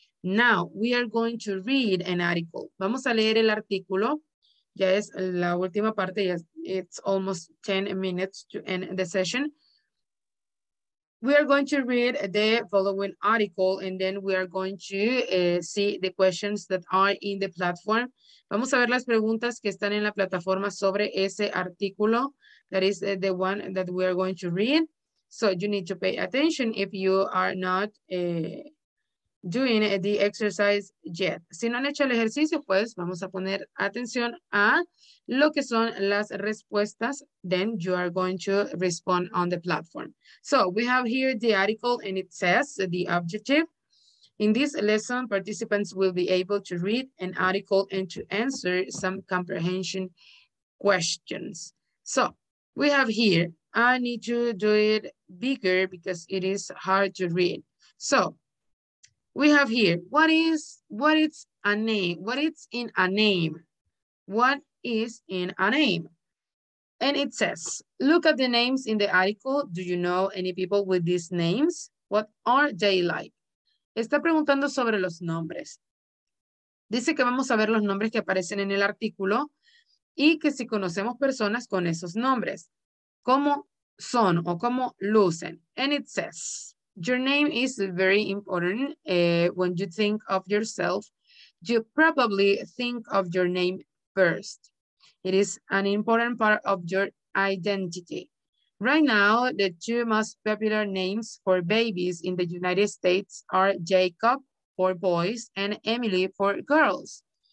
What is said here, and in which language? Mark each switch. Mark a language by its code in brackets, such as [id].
[en] Now we are going to read an article. [es] Vamos a leer el artículo. Ya es la última parte, ya es, [en] it's almost 10 minutes to end the session. We are going to read the following article and then we are going to see the questions that are in the platform. [es] Vamos a ver las preguntas que están en la plataforma sobre ese artículo. [en] That is the one that we are going to read. So you need to pay attention if you are not doing the exercise yet. [es] Si no han hecho el ejercicio, pues vamos a poner atención a lo que son las respuestas. [en] Then you are going to respond on the platform. So we have here the article and it says the objective. In this lesson, participants will be able to read an article and to answer some comprehension questions. So we have here, I need to do it bigger because it is hard to read. So we have here, what is in a name? And it says, look at the names in the article. Do you know any people with these names? What are they like? [es] Está preguntando sobre los nombres. Dice que vamos a ver los nombres que aparecen en el artículo y que si conocemos personas con esos nombres, ¿cómo son o cómo lucen? [en] And it says, your name is very important. When you think of yourself, you probably think of your name first. It is an important part of your identity. Right now, the two most popular names for babies in the United States are Jacob for boys and Emily for girls.